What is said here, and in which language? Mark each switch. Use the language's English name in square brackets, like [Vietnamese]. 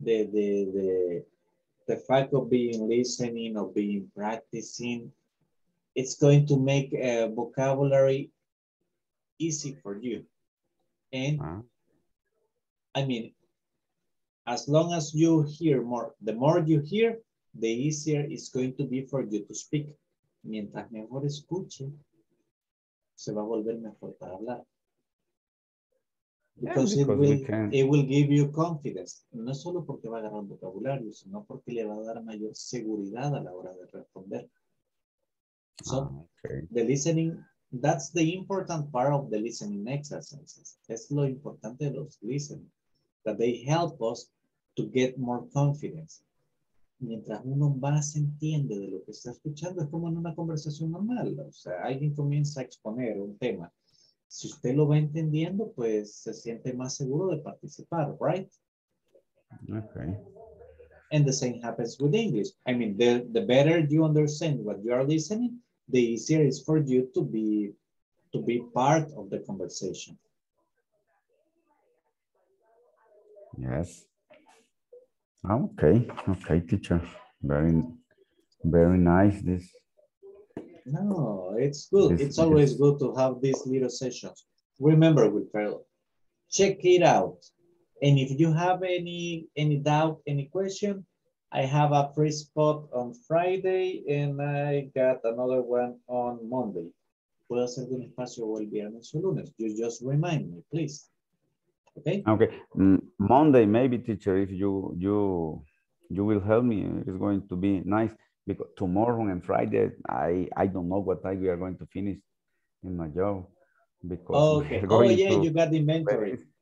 [English] The fact of being listening or being practicing, it's going to make a vocabulary easy for you. And I mean, as long as you hear more, the more you hear, the easier it's going to be for you to speak. [Spanish] Mientras mejor escuche, se va a volver mejor para hablar. [English] Because it will give you confidence. [Spanish] No solo porque va a agarrar vocabulario, sino porque le va a dar mayor seguridad a la hora de responder. [English] So, the listening, that's the important part of the listening exercises. [Spanish] Es lo importante de los listening, [English] that they help us to get more confidence. [Spanish] Mientras uno más entiende de lo que está escuchando, es como en una conversación normal. O sea, alguien comienza a exponer un tema. Si usted lo va entendiendo, pues se siente más seguro de participar, right? [English] Okay. And the same happens with English. I mean, the better you understand what you are listening, the easier it's for you to be part of the conversation. Yes. Okay, teacher. Very, very nice this. No, it's good. It's always good to have these little sessions. Remember, Wilfredo, check it out. And if you have any doubt, any question, I have a free spot on Friday and I got another one on Monday. [Spanish] Puedo hacer un espacio el viernes o lunes. [English] You just remind me, please. Okay. Monday, maybe, teacher, if you will help me, it's going to be nice. Because tomorrow and Friday, I don't know what time we are going to finish in my job. because you got the inventory.